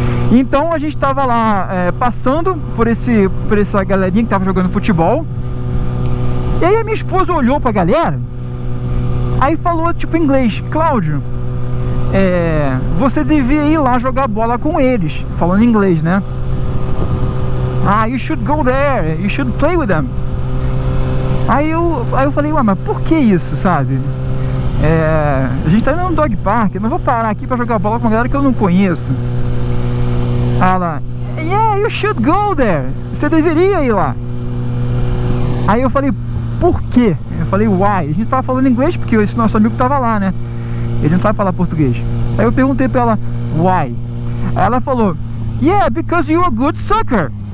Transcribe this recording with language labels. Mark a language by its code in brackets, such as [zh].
[pt] Então a gente estava lá passando por essa galerinha que estava jogando futebol. E aí a minha esposa olhou para a galera, aí falou tipo em inglês, Cláudio, você devia ir lá jogar bola com eles, falando em inglês, né? [en] Ah, you should go there, you should play with them. [pt] Aí eu falei, ué, mas por que isso, sabe? A gente tá indo no dog park, mas vou parar aqui pra jogar bola com uma galera que eu não conheço. Aí ela, [en] yeah, you should go there. [pt] Você deveria ir lá. Aí eu falei, por quê? Eu falei, why? A gente tava falando inglês porque esse nosso amigo tava lá, né? Ele não sabe falar português. Aí eu perguntei pra ela, why? Aí ela falou, [en] yeah, because you're a good sucker.